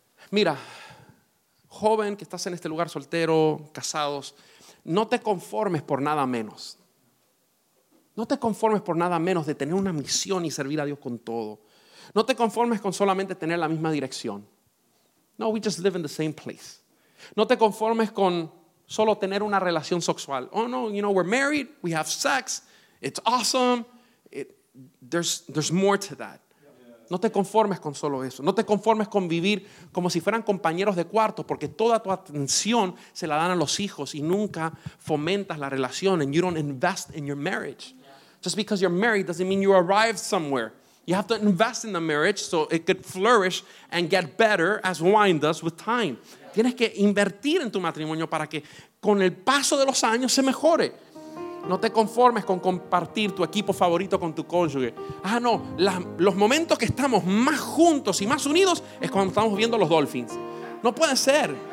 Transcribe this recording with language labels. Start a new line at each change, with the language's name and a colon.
Spanish: Mira, joven que estás en este lugar, soltero, casados, no te conformes por nada menos. No te conformes por nada menos de tener una misión y servir a Dios con todo. No te conformes con solamente tener la misma dirección.
English: No, we just live in the same place.
Spanish: No te conformes con solo tener una relación sexual.
English: Oh no, you know, we're married, we have sex, it's awesome. There's more to that.
Spanish: No te conformes con solo eso. No te conformes con vivir como si fueran compañeros de cuarto, porque toda tu atención se la dan a los hijos y nunca fomentas la relación.
English: And you don't invest in your marriage. Just because you're married doesn't mean you arrived somewhere. You have to invest in the marriage so it could flourish and get better as wine does with time.
Spanish: Tienes que invertir en tu matrimonio para que con el paso de los años se mejore. No te conformes con compartir tu equipo favorito con tu cónyuge. Ah, no, los momentos que estamos más juntos y más unidos es cuando estamos viendo los Dolphins. No puede ser.